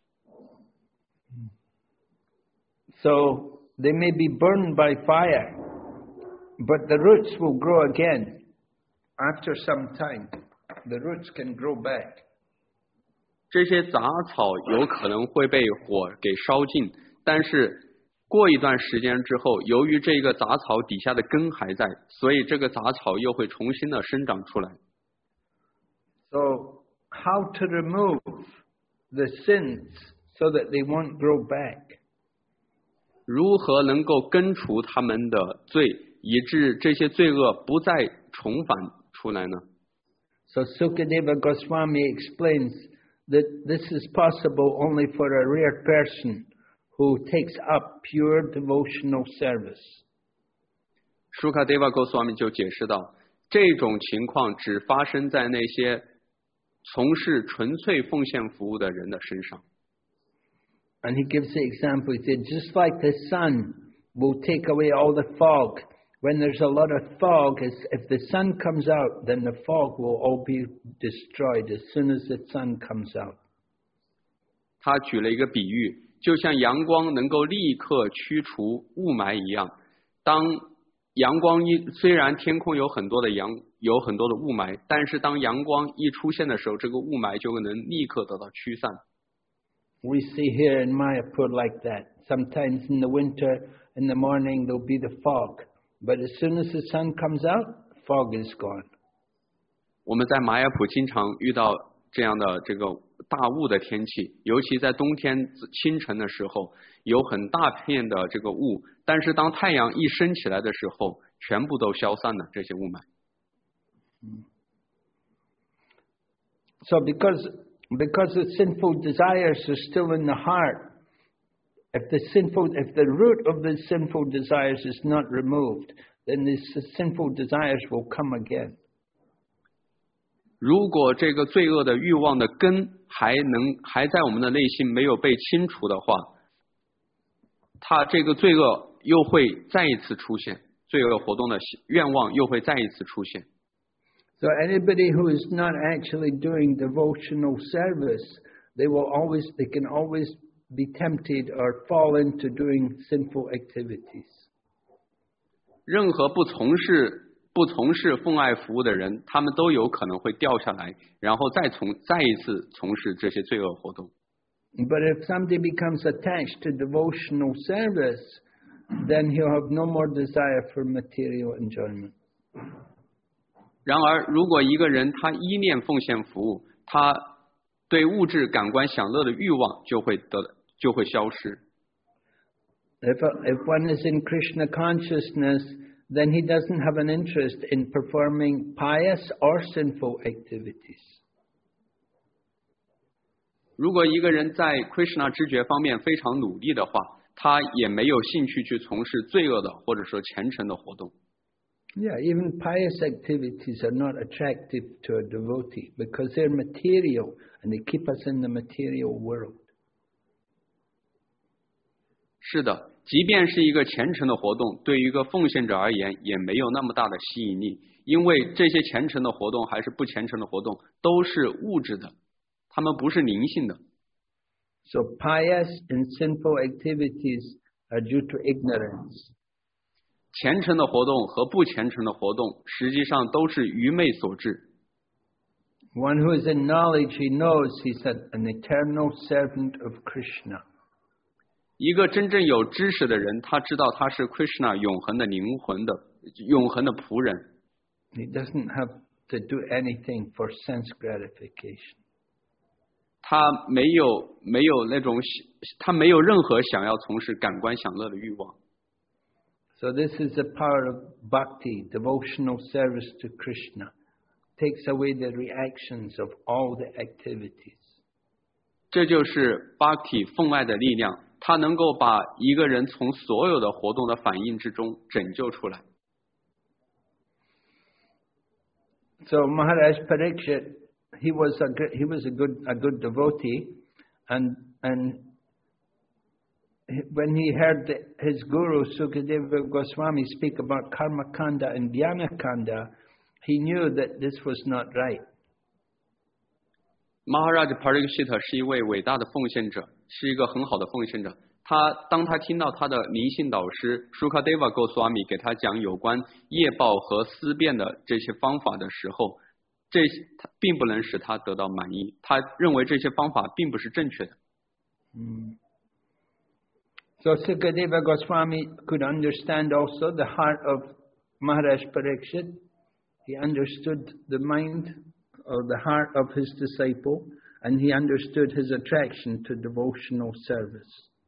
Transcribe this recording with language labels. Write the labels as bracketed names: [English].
[Chinese] 但是这个问题就在于，他们的罪恶就好像在竹林底下的那些枯草一样。So [English] they may be burned by fire, but the roots will grow again. After some time, the roots can grow back. [Chinese] 这些杂草有可能会被火给烧尽，但是过一段时间之后，由于这个杂草底下的根还在，所以这个杂草又会重新的生长出来。 [English] So how to remove the sins so that they won't grow back? [Chinese] 如何能够根除他们的罪，以致这些罪恶不再重返出来呢？ [English] So Sukadeva Goswami explains that this is possible only for a rare person who takes up pure devotional service. [Chinese] Sukadeva Goswami 就解释到，这种情况只发生在那些从事纯粹奉献服务的人的身上。 [English] And he gives the example, he said, just like the sun will take away all the fog, when there's a lot of fog, if the sun comes out, then the fog will all be destroyed as soon as the sun comes out. [Chinese] 他举了一个比喻，就像阳光能够立刻驱除雾霾一样，当阳光一，虽然天空有很多的阳，有很多的雾霾，但是当阳光一出现的时候，这个雾霾就能立刻得到驱散。 [English] We see here in Mayapur like that. Sometimes in the winter, in the morning, there'll be the fog. But as soon as the sun comes out, fog is gone. [Chinese] 我们在马雅普经常遇到这样的这个大雾的天气，尤其在冬天清晨的时候，有很大片的这个雾，但是当太阳一升起来的时候，全部都消散了，这些雾霾。 [English] So because the sinful desires are still in the heart, if the root of the sinful desires is not removed, then the sinful desires will come again. [Chinese] 如果这个罪恶的欲望的根还在我们的内心没有被清除的话，它这个罪恶又会再一次出现，罪恶活动的愿望又会再一次出现。 [English] So anybody who is not actually doing devotional service, they can always be tempted or fall into doing sinful activities. [Chinese] 任何不从事奉爱服务的人，他们都有可能会掉下来，然后再一次从事这些罪恶活动。 [English] But if somebody becomes attached to devotional service, then he'll have no more desire for material enjoyment. [Chinese] 然而，如果一个人他依念奉献服务，他对物质感官享乐的欲望就会消失。 [English] If one is in Krishna consciousness, then he doesn't have an interest in performing pious or sinful activities. [Chinese] 如果一个人在 Krishna 知觉方面非常努力的话，他也没有兴趣去从事罪恶的或者说虔诚的活动。 [English] Yeah, even pious activities are not attractive to a devotee because they're material and they keep us in the material world. [Chinese] 是的，即便是一个虔诚的活动，对于一个奉献者而言也没有那么大的吸引力，因为这些虔诚的活动还是不虔诚的活动都是物质的，他们不是灵性的。 [English] So pious and sinful activities are due to ignorance. [Chinese] 虔诚的活动和不虔诚的活动实际上都是愚昧所致。 [English] One who is in knowledge, he knows he's an eternal servant of Krishna. [Chinese] 一个真正有知识的人，他知道他是 Krishna 永恒的灵魂的永恒的仆人。 [English] He doesn't have to do anything for sense gratification. [Chinese] 他没有任何想要从事感官享乐的欲望。 [English] So this is the power of bhakti, devotional service to Krishna, takes away the reactions of all the activities. [Chinese] 这就是 bhakti 奉爱的力量，它能够把一个人从所有的活动的反应之中拯救出来。 [English] So Maharaj Parikshit, he was a good devotee, and when he heard his guru Sukadeva Goswami speak about karma kanda and jnana kanda, he knew that this was not right. [Chinese] Maharaj Parikshit 是一位伟大的奉献者，是一个很好的奉献者。他当他听到他的灵性导师 Sukadeva Goswami 给他讲有关业报和思辨的这些方法的时候，这并不能使他得到满意，他认为这些方法并不是正确的。 [English] So Sukadeva Goswami could understand also the heart of Maharaj Pariksit. He understood the mind or the heart of his disciple, and he understood his attraction to devotional service.